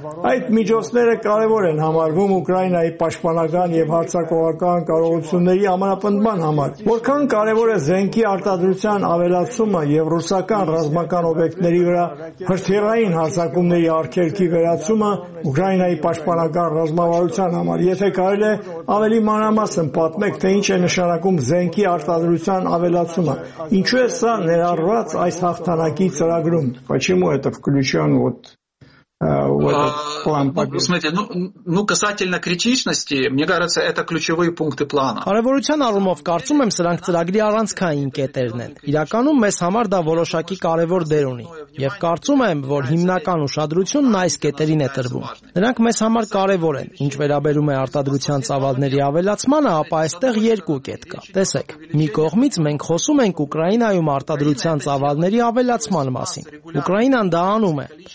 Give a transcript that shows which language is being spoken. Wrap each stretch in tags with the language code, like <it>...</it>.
<hy>Այդ միջոցները կարևոր են համարվում Ուկրաինայի պաշտպանական և հարձակողական կարողությունների ամրապնդման համար։ Որքան կարևոր է զենքի արտադրության ավելացումը և ռուսական ռազմական օբյեկտների վրա հրթիռային հարձակումների արգելքի վերացումը Ուկրաինայի պաշտպանական ռազմավարության համար, եթե կարելի է ավելի մանրամասն պատմեք, թե ինչ է նշանակում զենքի արտադրության ավելացումը, ինչու է սա ներառված այս հաղթանակի ծրագրում,</hy> <ru>почему это включён вот в этот план победы. Смотрите, ну касательно критичности, мне кажется, это ключевые пункты плана.</ru> <hy>Արևորության առումով կարծում եմ սրանք ծրագրի առանցքային կետերն են։ Իրականում մեզ համար դա որոշակի կարևոր դեր ունի, եւ կարծում եմ, որ հիմնական ուշադրությունն այս կետերին է տրվում։ Նրանք մեզ համար կարևոր են։ Ինչ վերաբերում է արտադրության ծավալների ավելացմանը, ապա այստեղ երկու կետ կա։ Տեսեք, մի կողմից մենք խոսում ենք Ուկրաինայում արտադրության ծավալների ավելացման մասին։ Ուկրաինան դա անում է։</hy>